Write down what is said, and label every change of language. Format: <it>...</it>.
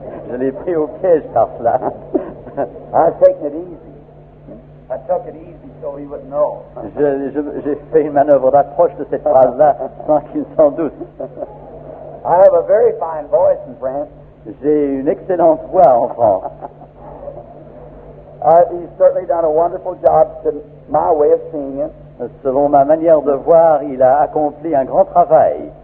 <fr>Je l'ai pris au piège par cela.</fr> <en>I took it easy. I took it easy so he wouldn't know.</en> <fr>J'ai fait une manœuvre d'approche de cette phrase-là sans qu'il s'en doute.</fr> <en>I have a very fine voice in France.</en> <fr>J'ai une excellente voix en France.</fr> <en>He's certainly done a wonderful job to my way of seeing him.</en> <fr>Selon ma manière de voir, il a accompli un grand travail.</fr>